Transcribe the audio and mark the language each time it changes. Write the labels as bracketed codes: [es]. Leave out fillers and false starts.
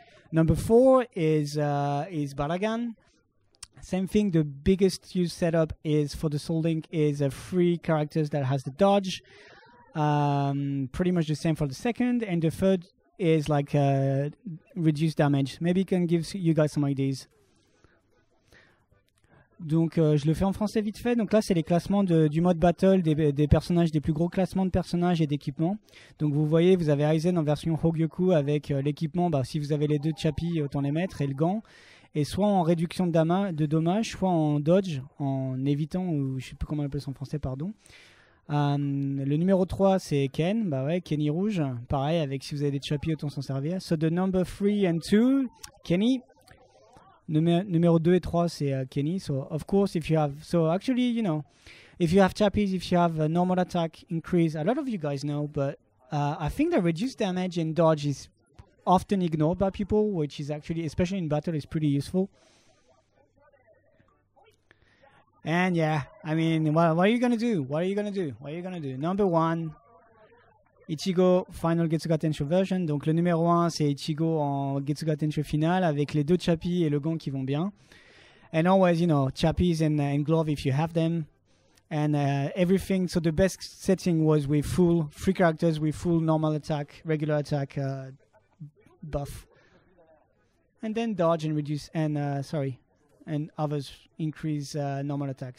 [en] Number four is Baragan. Same thing, the biggest use setup is for the Soul Link is three characters that has the dodge. Pretty much the same for the second. And the third is like reduced damage. Maybe it can give you guys some ideas. [fr] Donc, je le fais en français vite fait. Donc là, c'est les classements du mode battle des personnages, des plus gros classements de personnages et d'équipements. Donc vous voyez, vous avez Aizen en version Hogyoku avec l'équipement. Bah, si vous avez les deux chappies, autant les mettre, et le gant. Et soit en réduction de dommages, soit en dodge, en évitant, ou je ne sais plus comment on appelle ça en français, pardon. Le numéro 3, c'est Ken. Bah ouais, Kenny rouge. Pareil, avec si vous avez des chappies, autant s'en servir. [en] So the number 3 and 2, Kenny. [fr] Numéro 2 et 3, c'est Kenny. [en] So, of course, if you have... So, actually, you know, if you have chappies, if you have a normal attack increase, a lot of you guys know, but I think the reduced damage and dodge is often ignored by people, which is actually, especially in battle, is pretty useful. And, yeah, I mean, what are you going to do? What are you going to do? What are you going to do? Number 1, Ichigo, final Getsuga Tenshou version. [fr] Donc, le numéro 1, c'est Ichigo en Getsuga Tenshou final avec les deux chappies et le gant qui vont bien. [en] And always, you know, chappies and glove if you have them. And everything, so the best setting was with full, three characters with full normal attack, regular attack buff. And then dodge and reduce, and sorry. And others increase normal attack.